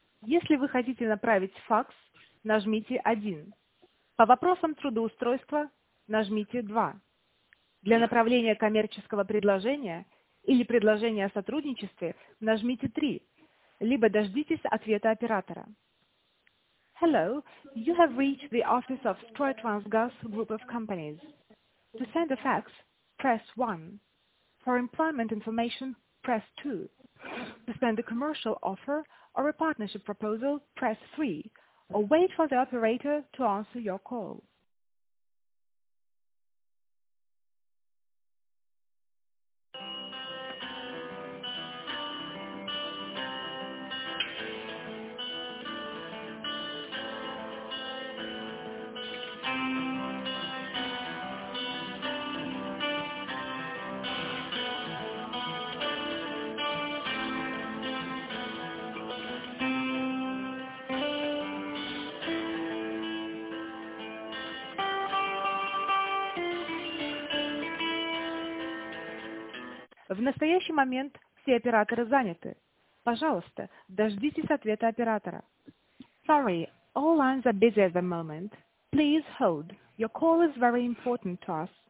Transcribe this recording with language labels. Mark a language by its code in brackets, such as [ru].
[ru] Если вы хотите направить факс, нажмите 1. По вопросам трудоустройства нажмите 2. Для направления коммерческого предложения или предложения о сотрудничестве нажмите 3, либо дождитесь ответа оператора. [en] Hello, you have reached the office of Stroytransgas Group of Companies. To send a fax, press 1. For employment information, press 2. To send a commercial offer or a partnership proposal, press 3. Or wait for the operator to answer your call. [ru] В настоящий момент все операторы заняты. Пожалуйста, дождитесь ответа оператора. [en] Sorry, all lines are busy at the moment. Please hold. Your call is very important to us.